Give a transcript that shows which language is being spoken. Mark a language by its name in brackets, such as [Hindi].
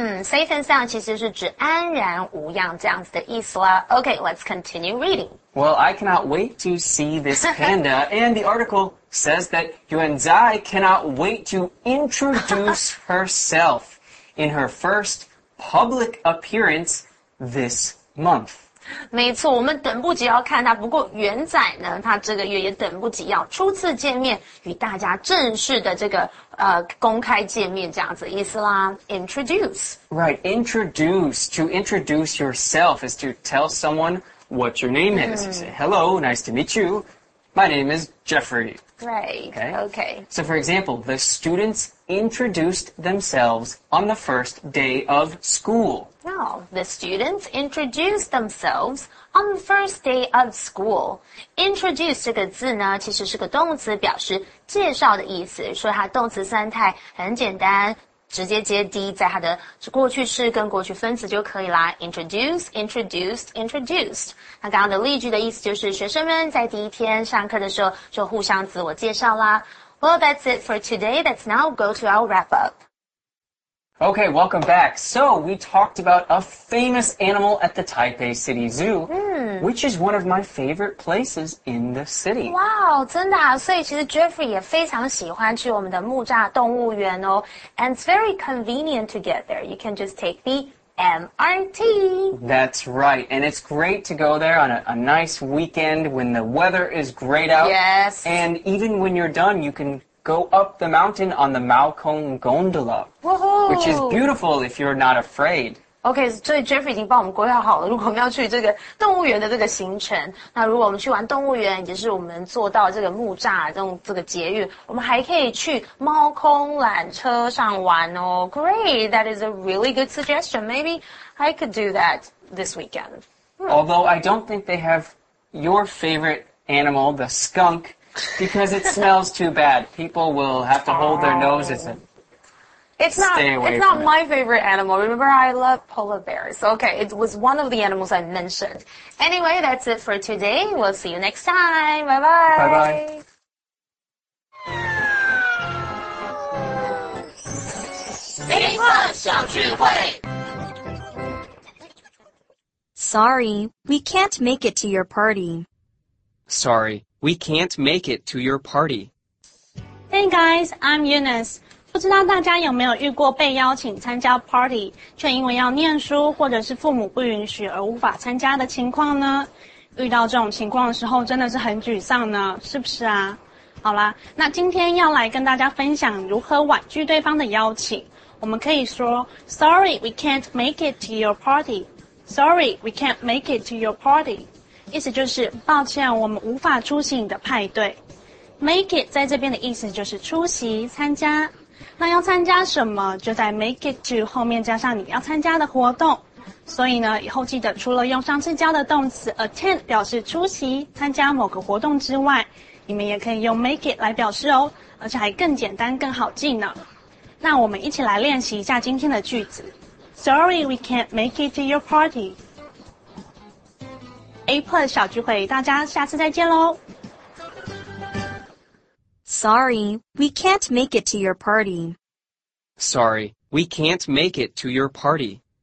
[English] Safe and sound [Chinese] 其实是指安然无恙这样子的意思啦。 [English] Okay, let's continue reading. Well, I cannot wait to see this panda. And the article says that Yuan Zai cannot wait to introduce herself in her first public appearance this month. [Chinese] 没错，我们等不及要看他。不过元仔呢，他这个月也等不及要初次见面，与大家正式的这个公开见面这样子意思啦。 [English] Introduce. Right, introduce. To introduce yourself is to tell someone what your name is. You say, hello, nice to meet you. My name is Jeffrey. Right, okay. So for example, the students introduced themselves on the first day of school. Oh, the students introduce themselves on the first day of school. [Chinese] Introduce 这个字呢，其实是个动词，表示介绍的意思。所以它动词三态很简单，直接接 D 在它的过去式跟过去分词就可以啦。 [English] Introduce, introduced, introduced. [Chinese] 那刚刚的例句的意思就是学生们在第一天上课的时候就互相自我介绍啦。 [English] Well, that's it for today. Let's now go to our wrap up. Okay, welcome back. So, we talked about a famous animal at the Taipei City Zoo, which is one of my favorite places in the city. [Chinese] Wow, 真的啊，所以其实 Jeffrey 也非常喜欢去我们的木栅动物园哦。 [English] And it's very convenient to get there. You can just take the MRT. That's right. And it's great to go there on a nice weekend when the weather is great out. Yes. And even when you're done, you can... Go up the mountain on the Maokong Gondola,which is beautiful if you're not afraid. [Chinese] Okay, so Jeffrey 已经帮我们规划好了，如果我们要去这个动物园的这个行程，那如果我们去玩动物园，也就是我们坐到这个木栅这种这个捷运，我们还可以去猫空缆车上玩哦。 [English] Great, that is a really good suggestion. Maybe I could do that this weekend. Although I don't think they have your favorite animal, the skunk. Because it smells too bad. People will have to hold their noses and stay away from it. It's not my favorite animal. Remember, I love polar bears. Okay, it was one of the animals I mentioned. Anyway, that's it for today. We'll see you next time. Bye-bye. Bye-bye. [Chinese] Big Fun 小聚会 [English] Sorry, we can't make it to your party. Sorry, we can't make it to your party. Hey guys, I'm Eunice. [Chinese] 不知道大家有没有遇过被邀请参加 party, 却因为要念书或者是父母不允许而无法参加的情况呢？遇到这种情况的时候真的是很沮丧呢，是不是啊？好啦，那今天要来跟大家分享如何婉拒对方的邀请。我们可以说 [English] Sorry, we can't make it to your party. Sorry, we can't make it to your party. [Chinese] 意思就是抱歉，我们无法出席你的派对。 Make it 在这边的意思就是出席参加，那要参加什么就在 make it to 后面加上你要参加的活动。所以呢，以后记得除了用上次教的动词 attend 表示出席参加某个活动之外，你们也可以用 make it 来表示哦，而且还更简单更好记呢。那我们一起来练习一下今天的句子。 [English] Sorry, we can't make it to your party. [Chinese] A plus 小聚会，大家下次再见咯。 [English] Sorry, we can't make it to your party. Sorry, we can't make it to your party.